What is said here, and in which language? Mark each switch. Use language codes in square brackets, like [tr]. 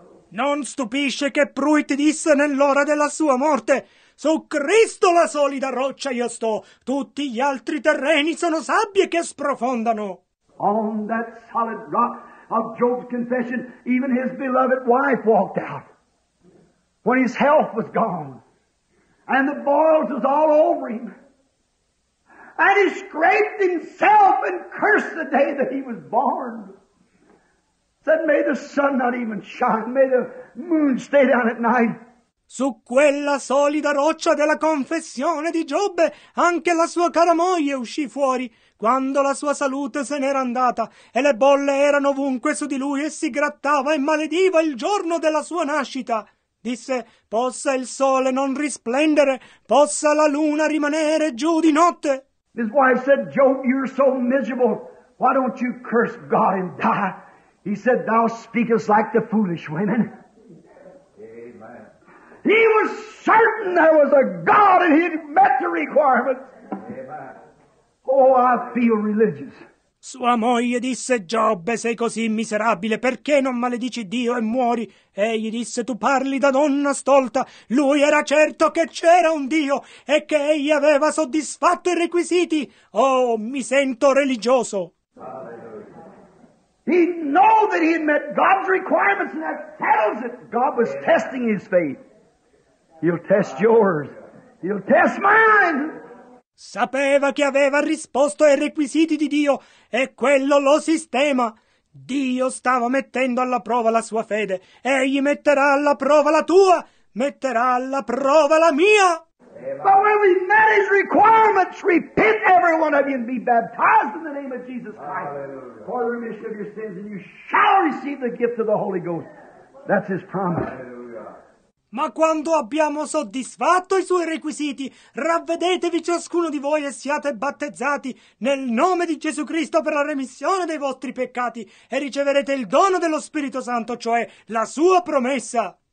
[it] Non stupisce che Pruitt disse nell'ora della sua morte, su Cristo la solida roccia io sto, tutti gli altri terreni sono sabbie che sprofondano. [en] On that solid rock of Job's confession, even his beloved wife walked out when his health was gone and the boils was all over him and he scraped himself and cursed the day that he was born. Said, may the sun not even shine, may the moon stay down at night. [it] Su quella solida roccia della confessione di Giobbe, anche la sua cara moglie uscì fuori quando la sua salute se n'era andata e le bolle erano ovunque su di lui e si grattava e malediva il giorno della sua nascita. Disse, possa il sole non risplendere, possa la luna rimanere giù di notte. [en] His wife said, Job, you're so miserable. Why don't you curse God and die? He said, thou speakest like the foolish women. Amen. He was certain there was a God and he'd met the requirements. Amen. Oh, I feel religious. [it] Sua moglie disse: Giobbe, sei così miserabile, perché non maledici Dio e muori? Egli disse: tu parli da donna stolta. Lui era certo che c'era un Dio e che egli aveva soddisfatto i requisiti. Oh, mi sento religioso. [en] He knew that he had met God's requirements, and that settles it. God was testing his faith. He'll test yours. He'll test mine. [it] Sapeva che aveva risposto ai requisiti di Dio, e quello lo sistema. Dio stava mettendo alla prova la sua fede. Egli metterà alla prova la tua, metterà alla prova la mia. [en] But when we met his requirements, repent every one of you and be baptized in the name of Jesus Christ. Hallelujah. For the remission of your sins, and you shall receive the gift of the Holy Ghost. That's his promise. Hallelujah. [it] Ma quando abbiamo soddisfatto i suoi requisiti, ravvedetevi ciascuno di voi e siate battezzati nel nome di Gesù Cristo per la remissione dei vostri peccati e riceverete il dono dello Spirito Santo, cioè la sua promessa.